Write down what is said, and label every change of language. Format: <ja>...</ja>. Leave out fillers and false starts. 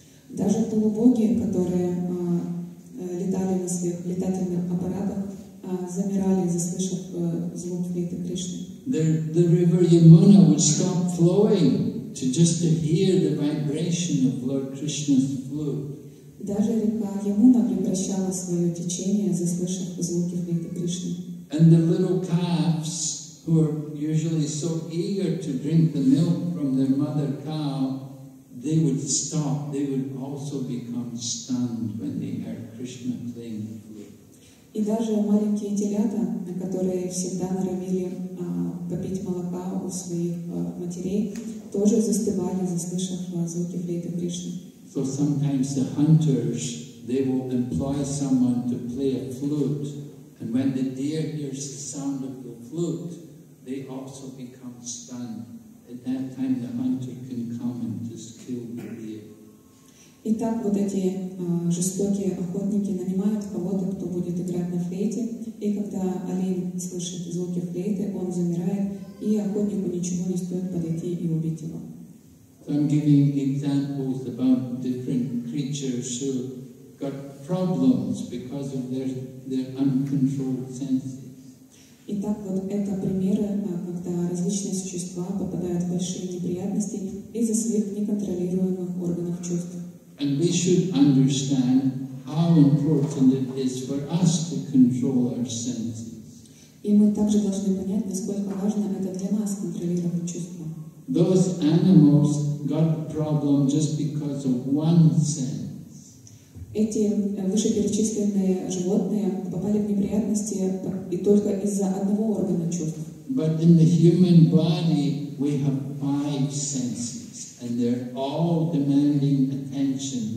<ru>Даже полубоги, которые летали на своих летательных аппаратах, замирали, заслышав звук флейты Кришны.</ru> <en>The river Yamuna would stop flowing to hear the vibration of Lord Krishna's flute.</en> <ru>Даже река Ямуна прекращала свое течение, заслышав звуки флейты Кришны.</ru> <en>And the little calves, who are usually so eager to drink the milk from their mother cow, they would stop. They would also become stunned when they heard Krishna playing the flute.</en> <ru>И даже маленькие телята, которые всегда норовили попить молока у своих матерей, тоже застывали, заслышав звуки флейты Кришны.</ru> <en>So sometimes the hunters, they will employ someone to play a flute, and when the deer hears the sound of the flute, they also become stunned. At that time, the hunter can come and just kill the deer.</en> <ru>Итак, вот эти жестокие охотники нанимают кого-то, кто будет играть на флейте, и когда олень слышит звуки флейты, он замирает, и охотнику ничего не стоит подойти и убить его.</ru> <en>So I'm giving examples about different creatures who got problems because of their uncontrolled senses.</en> <ru>Итак, вот это примеры, когда различные существа попадают в большие неприятности из-за своих неконтролируемых органов чувств.</ru> <en>And we should understand how important it is for us to control our senses.</en> <ru>И мы также должны понять, насколько важно это для нас контролировать чувства.</ru> <en>Those animals got problem just because of one sense.</en> <ru>Эти вышеперечисленные животные попали в неприятности и только из-за одного органа чувств.</ru> <en>But in the human body we have five senses, and they're all demanding attention.</en>